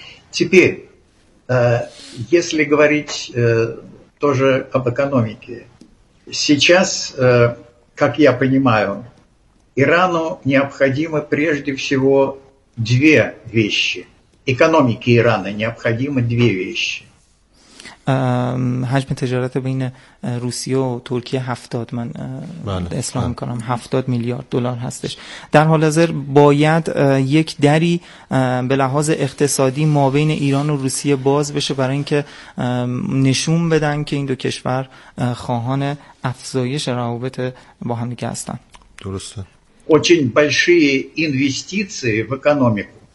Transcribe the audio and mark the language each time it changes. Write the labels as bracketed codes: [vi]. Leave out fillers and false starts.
[ru] Теперь, если говорить тоже об экономике. Сейчас, как я понимаю, Ирану необходимы прежде всего две вещи. Экономике Ирана необходимы две вещи. [fa] حجم تجارت بین روسیه و ترکیه 70 من اسلام میکنم 70 میلیارد دلار هستش. در حال حاضر باید یک دری به لحاظ اقتصادی ما بین ایران و روسیه باز بشه برای اینکه نشون بدن که این دو کشور خواهان افزایش روابط با هم دیگه هستن. درسته. [ru] очень большие инвестиции в экономику.